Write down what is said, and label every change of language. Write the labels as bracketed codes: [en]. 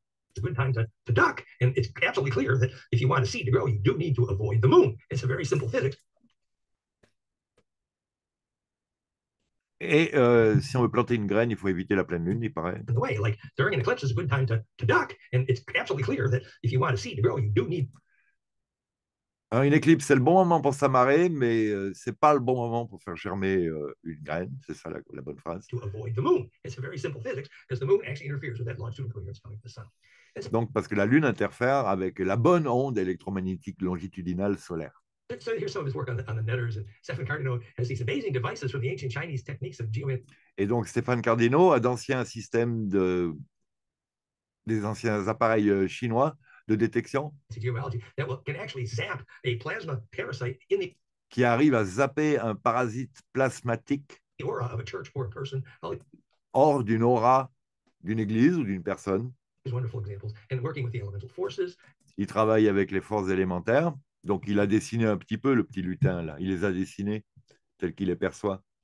[en] It's a good time to duck, and it's absolutely clear that if you want a seed to grow, you do need to avoid the moon. It's a very simple physics. [fr] Et si on veut planter une graine, il faut éviter la pleine lune, il paraît. [en] By the way, like during an eclipse is a good time to duck, and it's absolutely clear that if you want a seed to grow, you do need. [fr] Alors, une éclipse, c'est le bon moment pour s'amarrer, mais c'est pas le bon moment pour faire germer une graine. C'est ça la bonne phrase. [en] To avoid the moon, it's a very simple physics because the moon actually interferes with that longitudinal coherence coming from the sun. [fr] Donc parce que la lune interfère avec la bonne onde électromagnétique longitudinale solaire. [en] So here's some of his work on the netters, and Stephen Cardino has these amazing devices from the ancient Chinese techniques of geomancy. [fr] Et donc Stéphane Cardino a d'anciens systèmes de des anciens appareils chinois de détection. [en] Geomancy that can actually zap a plasma parasite in the. [fr] Qui arrive à zapper un parasite plasmatique. [en] The aura of a church or a person. [fr] Hors d'une aura d'une église ou d'une personne. [en] These wonderful examples and working with the elemental forces. [fr] Il travaille avec les forces élémentaires. Donc, il a dessiné un petit peu le petit lutin, là. Il les a dessinés, tels qu'il les perçoit.